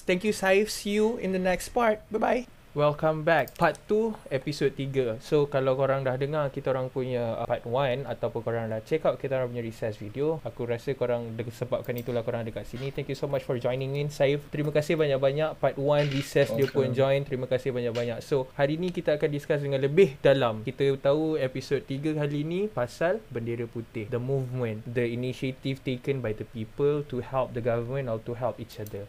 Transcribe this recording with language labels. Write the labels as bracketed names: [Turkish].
[English] Thank you Saif, see you in the next part. Bye bye. Welcome back. Part 2, episode 3. [Malay] So kalau korang dah dengar kita orang punya part 1 ataupun korang dah check out kita orang punya recess video, aku rasa korang sebabkan itulah korang ada kat sini. [English] Thank you so much for joining in, Saif. [Malay] Terima kasih banyak-banyak. Part 1 recess dia pun join. Terima kasih banyak-banyak. So hari ni kita akan discuss dengan lebih dalam. Kita tahu episode 3 kali ni pasal bendera putih, [English] the movement, the initiative taken by the people to help the government or to help each other.